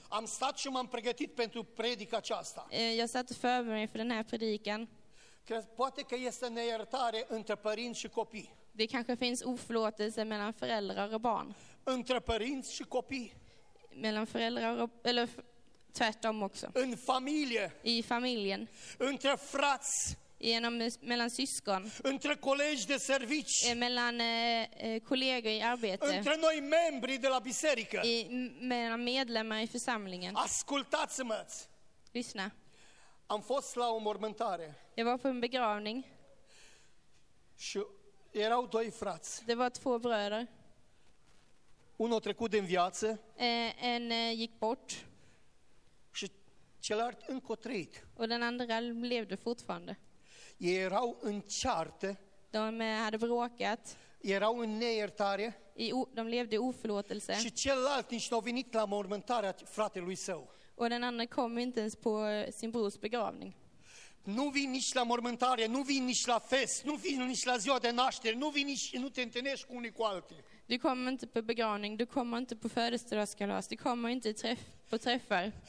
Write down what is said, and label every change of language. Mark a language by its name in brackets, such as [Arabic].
[Romanian] Am stat și m-am pregătit pentru predica aceasta. [Swedish] Jag satt och förberedde mig för den här predikan. [Romanian] Poate că este neiertare între părinți și copii. [Swedish] Det kanske finns oförlåtelse mellan föräldrar och barn. [Romanian] Între părinți și copii. [Swedish] Mellan föräldrar och, eller tvärtom också. [Romanian] În familie. [Swedish] I familjen. [Romanian] Între frați. [Swedish] Genom mellan syskon. [Romanian] Între colegi de servici. [Swedish] Mellan kollegor i arbete. [Romanian] Între noi membri de la biserică. [Swedish] Mellan medlemmar i församlingen. [Romanian] Ascultați-mă. [Swedish] Lyssna. [Romanian] Am fost la o mormântare. [Swedish] Jag var på en begravning. [Romanian] Și erau doi frați. [Swedish] Det var två bröder. [Romanian] Unul a trecut din viață. [Swedish] En gick bort. [Romanian] Și celălalt încă a trăit. [Swedish] Och den andra levde fortfarande. [Romanian] Ei erau în ceartă. [Swedish] De hade bråkat. [Romanian] Erau în neiertare. [Swedish] De levde oförlåtelse. [Romanian] Și celălalt nici nu a venit la mormântarea fratelui său. [Swedish] Och den andra kom inte ens på sin brors begravning. [Romanian] Nu vin nici la mormântare, nu vin nici la fest, nu vin nici la ziua de naștere, nu vin nici, nu te întâlnești cu unii cu alții. [Swedish] Du kommer inte på begravning, du kommer inte på födelsedagskalas, du kommer inte på träffar.